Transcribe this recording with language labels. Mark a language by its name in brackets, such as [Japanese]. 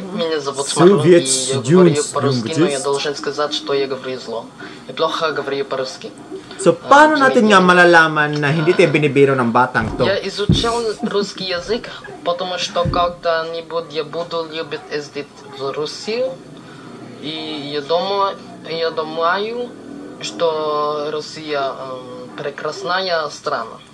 [Russian] Меня зовут Смарлот, и я говорю по-русски, но я должен сказать, что я говорю зло. Я плохо говорю по-русски. [Filipino] So, paano natin nga malalaman na hindi tayo binibiro ng batang to? [Russian] Я изучал русский язык, потому что когда-нибудь я буду любить ездить в Россию. И я думаю, что Россия прекрасная страна.